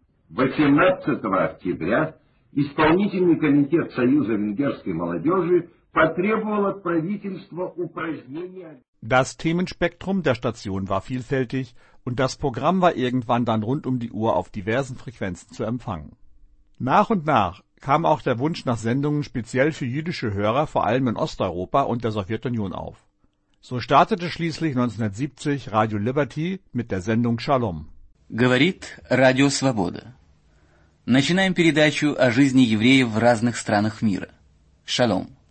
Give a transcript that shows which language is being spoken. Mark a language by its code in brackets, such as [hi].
[ru] Восемнадцатого октября исполнительный комитет Союза венгерской молодежи потребовал от правительства упражнения. [de] Das Themenspektrum der Station war vielfältig und das Programm war irgendwann dann rund um die Uhr auf diversen Frequenzen zu empfangen. Nach und nach kam auch der Wunsch nach Sendungen speziell für jüdische Hörer, vor allem in Osteuropa und der Sowjetunion, auf. So startete schließlich 1970 Radio Liberty mit der Sendung Shalom. [ru] Говорит Радио Свобода. Начинаем передачу о жизни евреев в разных странах мира. Шалом.